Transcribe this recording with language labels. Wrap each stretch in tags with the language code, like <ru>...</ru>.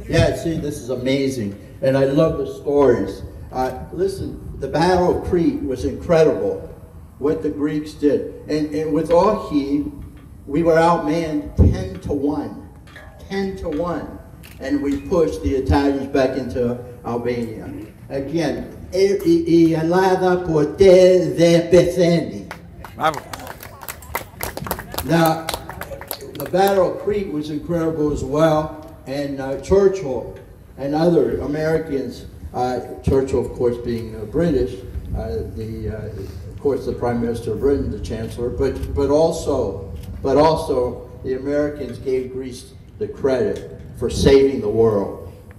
<en>you. Yeah, see, this is amazing. And I love the stories. Listen, the Battle of Crete was incredible, what the Greeks did. And with Ohi, we were outmanned 10-1. 10-1. And we pushed the Italians back into Albania. Again,</en> <el>η Ελλάδα ποτέ δεν πεθαίνει.</el> <en>Now, the Battle of Crete was incredible as well, and Churchill and other Americans, Churchill, of course, being British, of course, the Prime Minister of Britain, the Chancellor, but also the Americans gave Greece the credit for saving the world.</en>